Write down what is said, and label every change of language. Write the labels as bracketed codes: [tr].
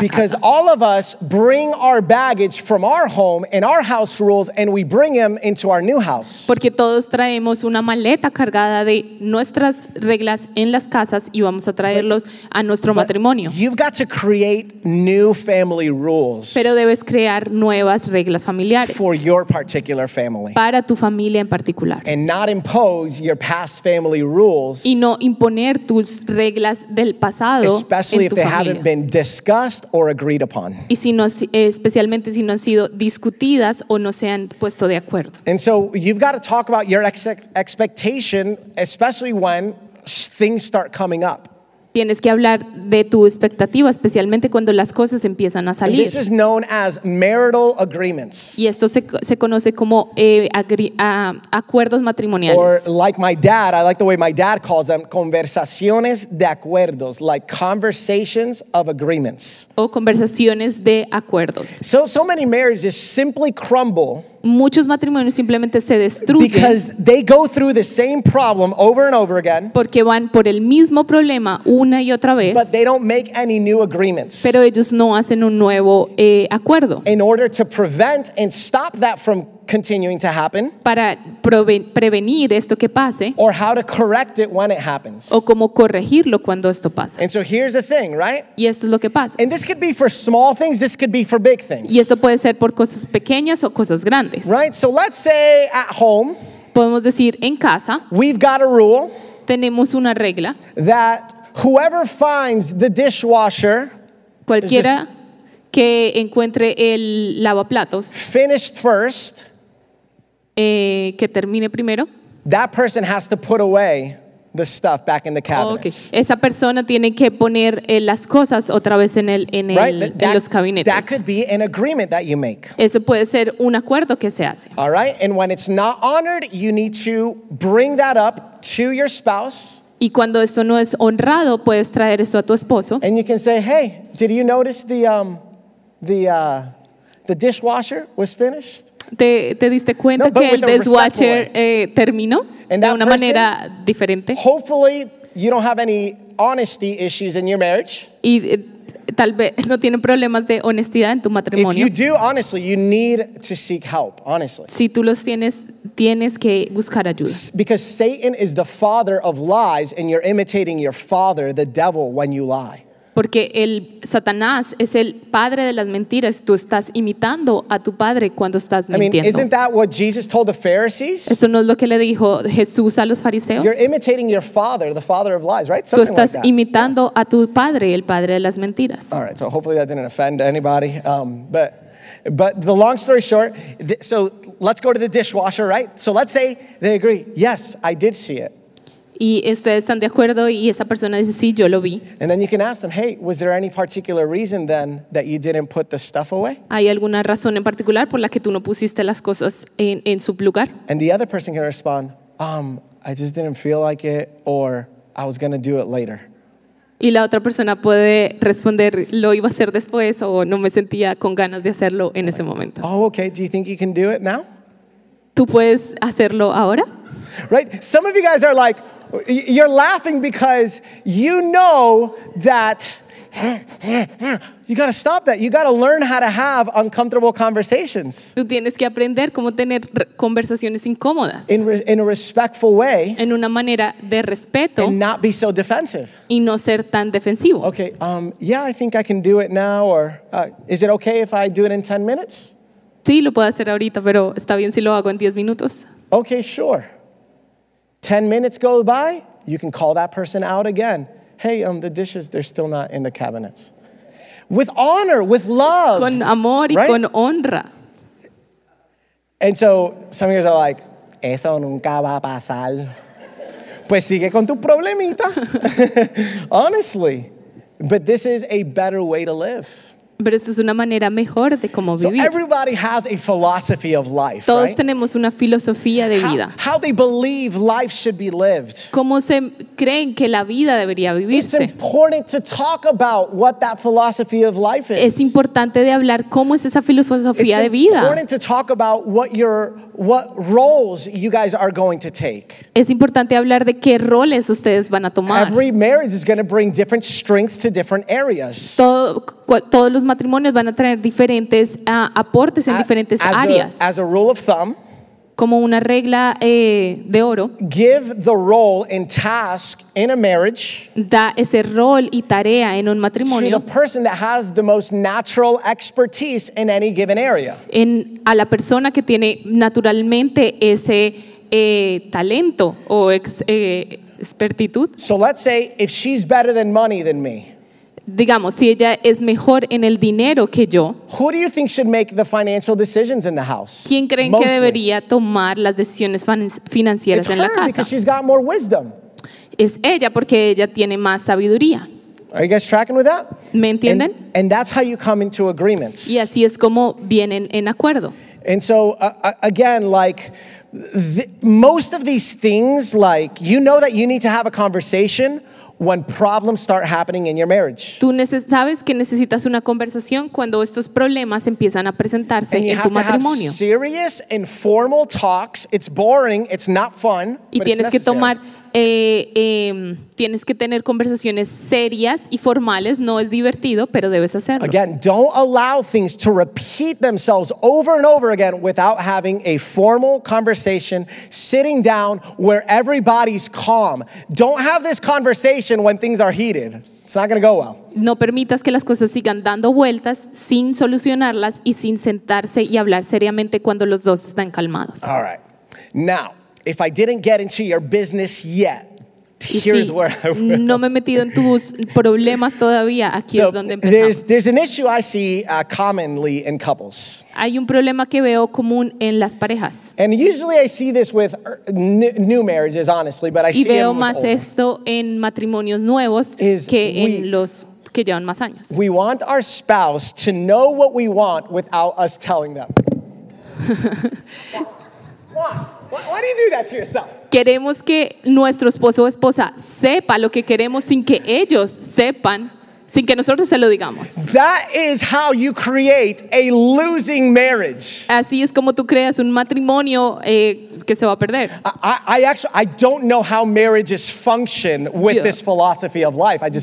[en] Because [es] casa. [en] All of us bring our baggage from our home and our house rules, and we bring them into our new house. [es] Porque todos traemos una maleta cargada de nuestras reglas en las casas y vamos a traerlos a nuestro matrimonio. [en] You've got to create new family rules. [es] Pero debes crear nuevas reglas familiares [en] for your particular family. [es] Para tu familia en particular. [en] And not impose your past family rules. [es] Y no imponer tus reglas del pasado. [en] Especially if [es] tu [en] they [es] familia. [en] Haven't been discussed or agreed upon. [es] Y si no, especialmente si no han sido discutidas o no se han puesto de acuerdo. [en] And so you've got to talk about your expectation, especially when things start coming up. [es] Tienes que hablar de tu expectativa, especialmente cuando las cosas empiezan a salir. [en] This is known as marital agreements. [es] Y esto se conoce como acuerdos matrimoniales. [en] Or like my dad, I like the way my dad calls them, [es] conversaciones de acuerdos, [en] like conversations of agreements. [es] O conversaciones de acuerdos. [en] So many marriages simply crumble. [es] Muchos matrimonios simplemente se destruyen [en] because they go through the same problem over and over again, [es] porque van por el mismo problema una y otra vez, [en] but they don't make any new agreements, [es] pero ellos no hacen un nuevo acuerdo, [en] in order to prevent and stop that from continuing to happen, [es] para prevenir esto que pase, [en] or how to correct it when it happens, [es] o cómo corregirlo cuando esto pasa. [en] And so here's the thing, right? [es] Y esto es lo que pasa. [en] And this could be for small things, this could be for big things. [es] Y esto puede ser por cosas pequeñas o cosas grandes. [en] Right? So let's say at home, [es] podemos decir en casa, [en] we've got a rule, [es] tenemos una regla, [en] that whoever finds the dishwasher, [es] cualquiera que encuentre el lavaplatos, [en] finished first, [es] que termine primero. [en] That person has to put away the stuff back in the cabinets. Okay. [es] Esa persona tiene que poner las cosas otra vez en los cabinetes. [en] That could be an agreement that you make. [es] Eso puede ser un acuerdo que se hace. [en] All right, and when it's not honored, you need to bring that up to your spouse. [es] Y cuando esto no es honrado, puedes traer eso a tu esposo. [en] And you can say, hey, did you notice the dishwasher was finished? [es] ¿Te diste cuenta que el dishwasher terminó de una manera diferente? [en] Hopefully you don't have any honesty issues in your marriage. [es] Y tal vez no tienen problemas de honestidad en tu matrimonio. [en] If you do, honestly, you need to seek help, honestly. [es] Si tú los tienes, tienes que buscar ayuda. [en] Because Satan is the father of lies, and you're imitating your father, the devil, when you lie. [es] Porque el Satanás es el padre de las mentiras. Tú estás imitando a tu padre cuando estás mintiendo. [en] I mean, isn't that what Jesus told the Pharisees? [es] ¿Eso no es lo que le dijo Jesús a los fariseos? [en] You're imitating your father, the father of lies, right? Something [es] tú estás [en] like that. [es] Imitando yeah. a tu padre, el padre de las mentiras. [en] All right, so hopefully that didn't offend anybody. But the long story short, so let's go to the dishwasher, right? So let's say they agree. Yes, I did see it. [es] Y ustedes están de acuerdo y esa persona dice, sí, yo lo vi. [en] And then you can ask them, hey, was there any particular reason then that you didn't put the stuff away? [es] ¿Hay alguna razón en particular por la que tú no pusiste las cosas en su lugar? [en] And the other person can respond, I just didn't feel like it, or I was going to do it later. [es] Y la otra persona puede responder, lo iba a hacer después o no me sentía con ganas de hacerlo en ese momento. [en] Oh, okay, do you think you can do it now? [es] ¿Tú puedes hacerlo ahora? [en] Right? Some of you guys are like, you're laughing because you know that You got to stop that. You got to learn how to have uncomfortable conversations. [es] Tú tienes que aprender cómo tener conversaciones incómodas. [en] In a respectful way. [es] En una manera de respeto. [en] And not be so defensive. [es] Y no ser tan defensivo. [en] Okay, yeah, I think I can do it now, or is it okay if I do it in 10 minutes? [es] Sí, lo puedo hacer ahorita, pero está bien si lo hago en 10 minutos. [en] Okay, sure. 10 minutes go by, you can call that person out again. Hey, the dishes, they're still not in the cabinets. With honor, with love. [es] Con amor y right? Con honra. [en] And so some of you are like, [es] eso nunca va a pasar. Pues sigue con tu problemita. Honestly. [en] But this is a better way to live. [es] Pero esto es una manera mejor de cómo vivir. [en] So everybody has a philosophy of life, [es] todos [en] right? [es] Tenemos una filosofía de vida. [en] How they believe life should be lived. [es] Cómo se creen que la vida debería vivirse. [en] It's important to talk about what that philosophy of life is. [es] Es importante de hablar cómo es esa filosofía de vida. [en] It's important to talk about what roles you guys are going to take. [es] Es importante hablar de qué roles ustedes van a tomar. [en] Every marriage is going to bring different strengths to different areas. [es] Todos los matrimonios van a tener diferentes aportes en diferentes áreas. [en] As a rule of thumb, [es] como una regla de oro, [en] give the role and task in a marriage, [es] da ese rol y tarea en un matrimonio, [en] to the person that has the most natural expertise in any given area. [es] A la persona que tiene naturalmente ese talento o expertitud. [en] So let's say if she's better than money than me. [es] Digamos, si ella es mejor en el dinero que yo. [en] Who do you think should make the financial decisions in the house? [es] ¿Quién creen que debería tomar las decisiones financieras en la casa? [en] Because she's got more wisdom. [es] Es ella porque ella tiene más sabiduría. [en] Are you guys tracking with that? [es] ¿Me entienden? [en] And that's how you come into agreements. [es] Y así es como vienen en acuerdo. [en] And so again, like most of these things, like you know that you need to have a conversation when problems start happening in your marriage. [es] Tú sabes que necesitas una conversación cuando estos problemas empiezan a presentarse en tu matrimonio. [en] Have serious and formal talks. It's boring, it's not fun, [es] y tienes que tomar tienes que tener conversaciones serias y formales, no es divertido, pero debes hacerlo. [en] Again, don't allow things to repeat themselves over and over again without having a formal conversation, sitting down where everybody's calm. Don't have this conversation when things are heated. It's not going to go well. [es] No permitas que las cosas sigan dando vueltas sin solucionarlas y sin sentarse y hablar seriamente cuando los dos están calmados. [en] All right. Now, if I didn't get into your business yet, here's where I will. [es] No me he metido en tus problemas todavía. Aquí [en] so [es] es donde empezamos. [en] There's an issue I see commonly in couples. [es] Hay un problema que veo común en las parejas. [en] And usually I see this with new marriages, honestly, but I [es] y [en] see it [es] veo [en] them [es] más esto en matrimonios nuevos que en los que llevan más años. [en] We want our spouse to know what we want without us telling them. Why do you do that to yourself? [es] Queremos que nuestro esposo o esposa sepa lo que queremos sin que ellos sepan, sin que nosotros se lo digamos. [en] That is how you create a losing marriage. [es] Así es como tú creas un matrimonio que se va a perder. [en] I don't know how marriages function with this philosophy of life.